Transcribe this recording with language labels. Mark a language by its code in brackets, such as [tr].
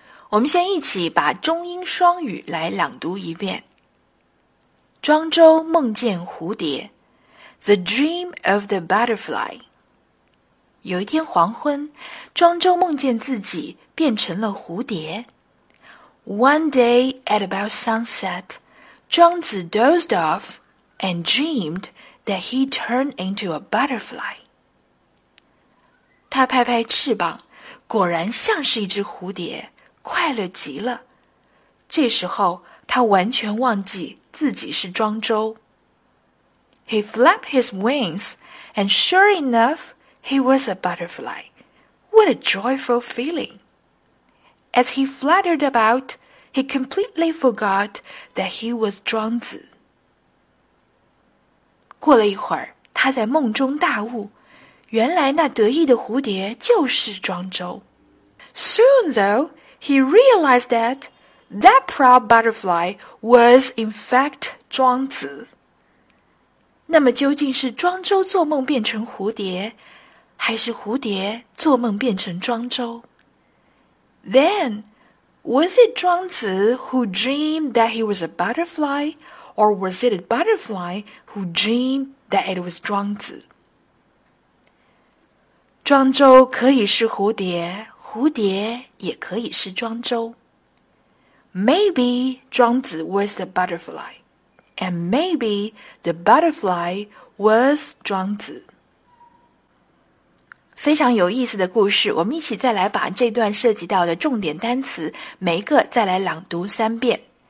[zh] 我们先一起把中英双语来朗读一遍。庄周梦见蝴蝶 [en] The dream of the butterfly。 [zh] 有一天黄昏，庄周梦见自己变成了蝴蝶。 [en] One day at about sunset, Zhuang Zi dozed off and dreamed that he turned into a butterfly. [zh] 他拍拍翅膀，果然像是一只蝴蝶，快乐极了。这时候，他完全忘记自己是庄周。 [en] He flapped his wings, and sure enough, he was a butterfly. What a joyful feeling! As he fluttered about,He completely forgot that he was 庄子。 [zh] 过了一会儿，他在梦中大悟，原来那得意的蝴蝶就是庄周。 [en] Soon though, he realized that proud butterfly was in fact 庄子。 [zh] 那么究竟是庄周做梦变成蝴蝶，还是蝴蝶做梦变成庄周？ [en] Then,Was it 庄子 who dreamed that he was a butterfly, or was it a butterfly who dreamed that it was 庄子？ [zh] 庄周可以是蝴蝶，蝴蝶也可以是庄周。 [en] Maybe 庄子 was the butterfly, and maybe the butterfly was 庄子。 [zh] 非常有意思的故事，我们一起再来把这段涉及到的重点单词每一个再来朗读三遍。